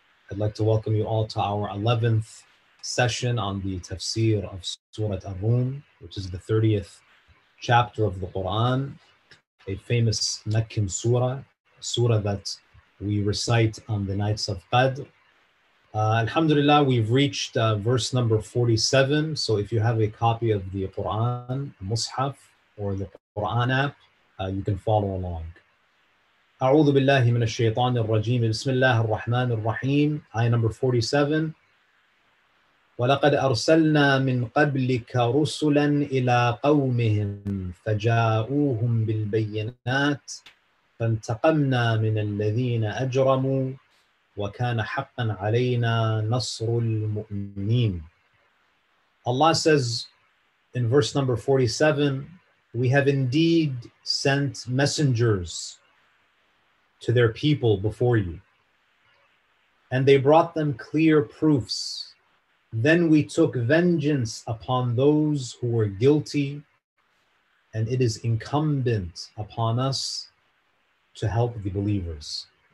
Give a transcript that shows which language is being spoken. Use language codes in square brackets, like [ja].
[en] I'd like to welcome you all to our 11th session on the Tafsir of Surah Ar-Rum, which is the 30th chapter of the Quran, a famous Meccan surah, a surah that we recite on the nights of Qadr. Alhamdulillah, we've reached verse number 47. So if you have a copy of the Quran, Mus'haf, or the Quran app, you can follow along. [ar] أعوذ بالله من الشيطان الرجيم بسم الله الرحمن الرحيم آية [en] number 47 [ar] ولقد أرسلنا من قبلك رسلا إلى قومهم فجاءوهم بالبينات فانتقمنا من الذين أجرموا وكان حقا علينا نصر المؤمنين. [en] Allah says in verse number 47, we have indeed sent messengers to their people before you, and they brought them clear proofs. Then we took vengeance upon those who were guilty, and it is incumbent upon us to help the believers.